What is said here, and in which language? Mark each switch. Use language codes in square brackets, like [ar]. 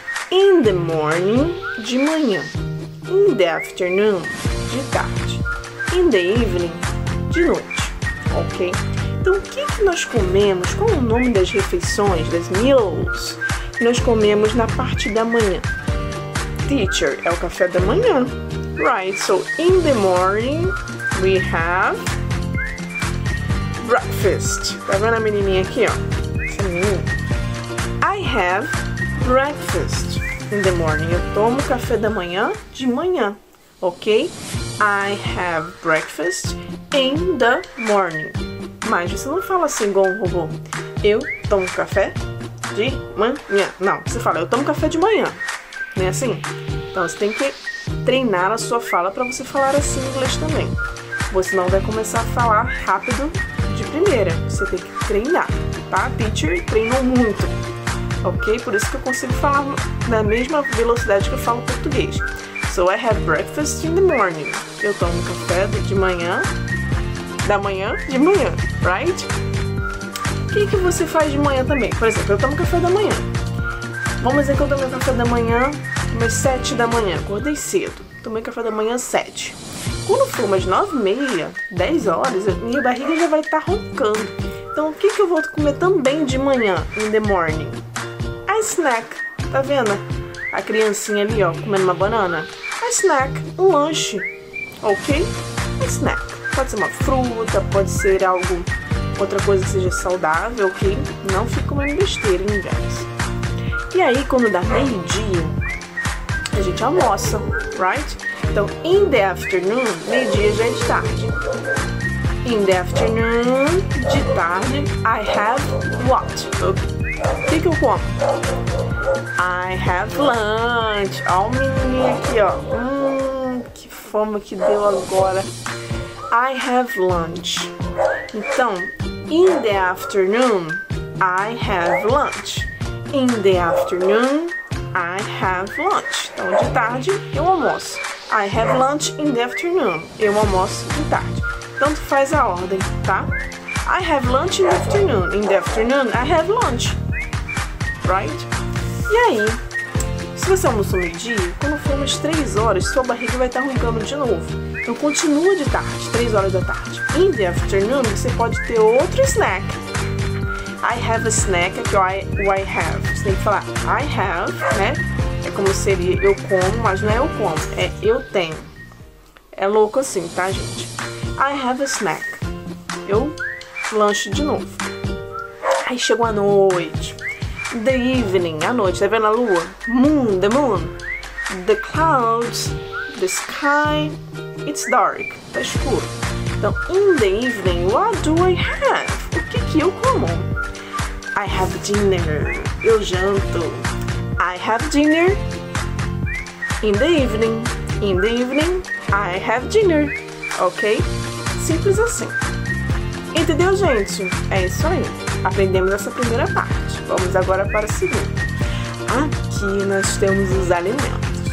[en] In the morning, [pt] de manhã. [en] In the afternoon, [pt] de tarde. [en] In the evening, [pt] de noite. [en] Ok? [pt] Então, o que que nós comemos? Qual é o nome das refeições, das meals que nós comemos na parte da manhã? Teacher, é o café da manhã. [en] Right, so in the morning we have breakfast. [pt] Tá vendo a menininha aqui, ó? Essa menina. [en] I have breakfast in the morning. [pt] Eu tomo café da manhã de manhã, ok? [en] I have breakfast in the morning. [pt] Mas você não fala assim igual um robô. Eu tomo café de manhã. Não, você fala, eu tomo café de manhã. Não é assim? Então você tem que treinar a sua fala para você falar assim em inglês também. Você não vai começar a falar rápido de primeira. Você tem que treinar, tá? Teacher treinou muito, ok? Por isso que eu consigo falar na mesma velocidade que eu falo português. [en] So I have breakfast in the morning. [pt] Eu tomo café de manhã. Da manhã, de manhã, [en] right? [pt] O que que você faz de manhã também? Por exemplo, eu tomo café da manhã. Vamos dizer que eu tomei café da manhã umas 7 da manhã. Acordei cedo. Tomei café da manhã 7. Quando for umas 9h30, 10 horas, minha barriga já vai estar roncando. Então, o que que eu vou comer também de manhã, [en] in the morning? A snack. [pt] Tá vendo? A criancinha ali, ó, comendo uma banana. [en] A snack. [pt] Um lanche. [en] Ok? A snack. [pt] Pode ser uma fruta, pode ser algo, outra coisa que seja saudável, ok? Não fica comendo besteira em inglês. E aí, quando dá meio-dia, a gente almoça, [en] right? [pt] Então, [en] in the afternoon, [pt] meio-dia já é de tarde. [en] In the afternoon, [pt] de tarde, [en] I have what? [pt] O que eu como? [en] I have lunch. [pt] Olha o menininho aqui, ó. Que fome que deu agora. [en] I have lunch. Então, in the afternoon, I have lunch. In the afternoon, I have lunch. [pt] Então, de tarde, eu almoço. [en] I have lunch in the afternoon. [pt] Eu almoço de tarde. Tanto faz a ordem, tá? [en] I have lunch in the afternoon. In the afternoon, I have lunch. Right? [pt] E aí? Se você almoçou meio-dia, quando for umas 3 horas, sua barriga vai estar roncando de novo. Então, continua de tarde, 3 horas da tarde. [en] In the afternoon, [pt] você pode ter outro snack. [en] I have a snack, [pt] que [en] I have. [pt] Você tem que falar I have, né? É como seria eu como, mas não é eu como, é eu tenho. É louco assim, tá, gente? [en] I have a snack. [pt] Eu lancho de novo. Aí chegou a noite. [en] The evening, [pt] a noite. Tá vendo a lua? [en] Moon, the moon. The clouds, the sky. It's dark. [pt] Tá escuro. [en] Então, in the evening, what do I have? [pt] O que que eu como? [en] I have dinner. [pt] Eu janto. [en] I have dinner in the evening. In the evening, I have dinner. Ok? [pt] Simples assim. Entendeu, gente? É isso aí. Aprendemos essa primeira parte. Vamos agora para a segunda. Aqui nós temos os alimentos.